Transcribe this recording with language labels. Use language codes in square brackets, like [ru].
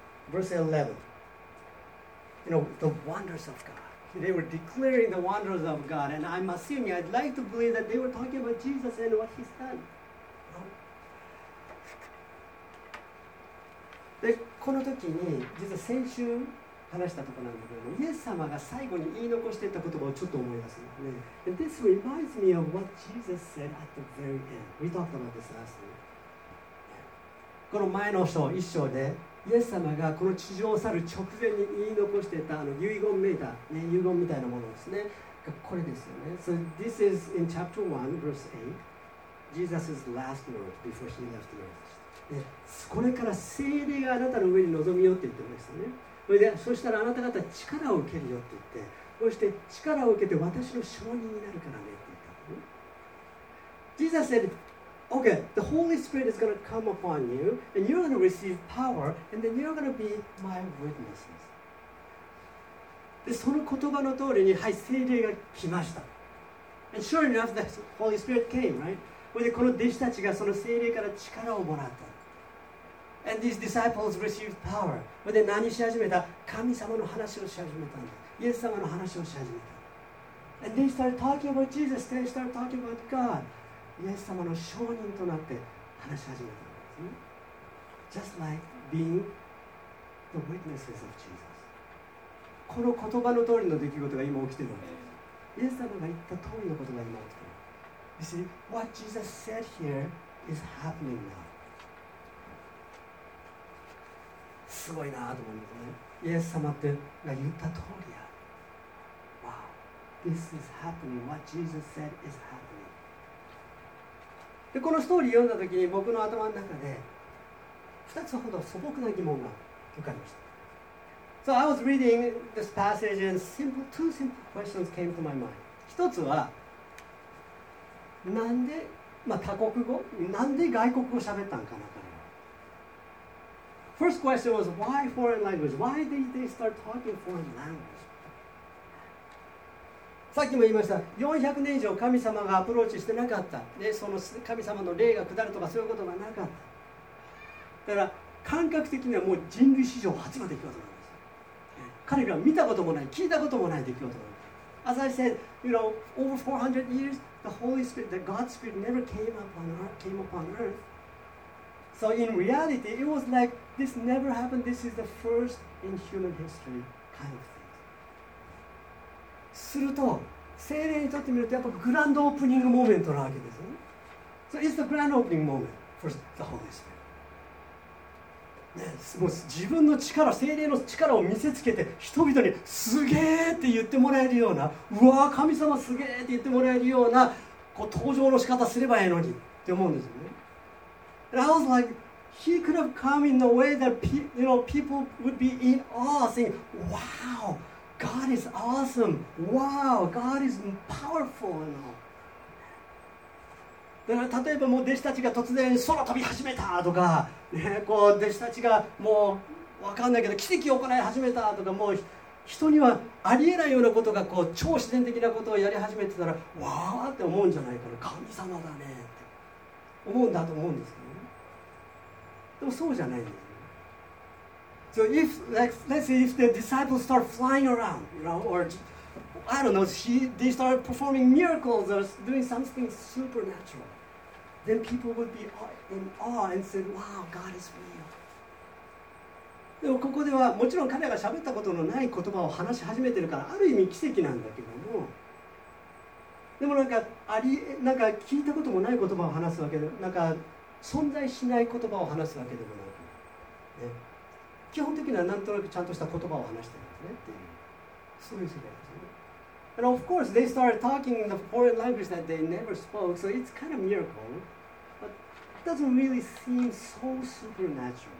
[en] Verse 11. You know, the wonders of GodThey were declaring the wonders of God, and I'm assuming, I'd like to believe that they were talking about Jesus and what he's done. [ja] で、この時に、実は先週話したところなんだけど、イエス様が最後に言い残していた言葉をちょっと思い出すね。 [en] And this reminds me of what Jesus said at the very end. We talked about this last week. [ja] この前の章、一章で、イエス様がこの地上を去る直前に言い残していたあの遺言メーター、ね、遺言みたいなものですね。これですよね。 [en] So this is in chapter 1, verse 8. Jesus' last word before he left the earth. [ja] で、これから聖霊があなたの上に臨みよって言ってましたね。それで、そしたらあなた方力を受けるよって言って、そして力を受けて私の証人になるからねって言った。 [en] Jesus said, okay, the Holy Spirit is going to come upon you, and you're going to receive power, and then you're going to be my witnesses. [ja] で、その言葉の通りに、はい、聖霊が来ました。 [en] And sure enough, the Holy Spirit came, right? [ja] それで、この弟子たちがその聖霊から力をもらった。 [en] And these disciples received power. [ja] それで、何し始めた？神様の話をし始めたんだ。イエス様の話をし始めた。 [en] And they started talking about Jesus. They started talking about God. [ja] イエス様の証人となって話し始めたんです、ね。 [en] Just like being the witnesses of Jesus. [ja] この言葉の通りの出来事が今起きているわけです。イエス様が言った通りのことが今起きている。 [en] You see, what Jesus said here is happening now. [ja] すごいなと思うんですね。イエス様ってが言った通りや。 [en] This is happening. What Jesus said is happening. [ja] で、このストーリー読んだときに僕の頭の中で2つほど素朴な疑問が浮かびました。 [en] So I was reading this passage and simple, two simple questions came to my mind. [ja] 一つは、なんで、まあ、他国語、なんで外国語喋ったんかな。 [en] First question was, why foreign language? Why did they start talking foreign language? [ja] さっきも言いました。 400年以上神様がアプローチしてなかった。で、その神様の霊が下るとかそういうことがなかった。だから感覚的にはもう人類史上初の出来事なんです。彼らは見たこともない、聞いたこともない出来事なんです。 [en] As I said, you know, over 400 years, the Holy Spirit, the God Spirit never came upon earth. So in reality, it was like, this never happened, this is the first in human history, kind of thing. [ja] すると聖霊にとってみるとやっぱグランドオープニングモーメントなわけですね。 [en] So it's the grand opening moment for the Holy Spirit. [ja] ね、もう自分の力、聖霊の力を見せつけて人々にすげーって言ってもらえるような、うわー神様すげーって言ってもらえるようなこう登場の仕方すればいいのにって思うんですよね。 [en] And I was like, he could have come in the way that people would be in awe, saying, "Wow." God is awesome. Wow, God is powerful. [ja] だから例えばもう弟子たちが突然空飛び始めたとか、ね、こう弟子たちがもう分かんないけど奇跡を行い始めたとか、もう人にはありえないようなことがこう超自然的なことをやり始めてたら、わーって思うんじゃないかな、神様だねって思うんだと思うんですけど、ね、でもそうじゃないんです。 [en] So if, like, let's say if the disciples start flying around, you know, or I don't know, they start performing miracles or doing something supernatural, then people would be in awe and say, wow, God is real. [ja] でもここではもちろん彼が喋ったことのない言葉を話し始めてるから、ある意味奇跡なんだけども、でもなんか、なんか聞いたこともない言葉を話すわけで、なんか存在しない言葉を話すわけでもなく、ね。基本的にはなんとなくちゃんとした言葉を話してるんですねっていう、そういう世界ですね。 [en] And of course, they started talking in the foreign language that they never spoke, so it's kind of miracle, but it doesn't really seem so supernatural, right?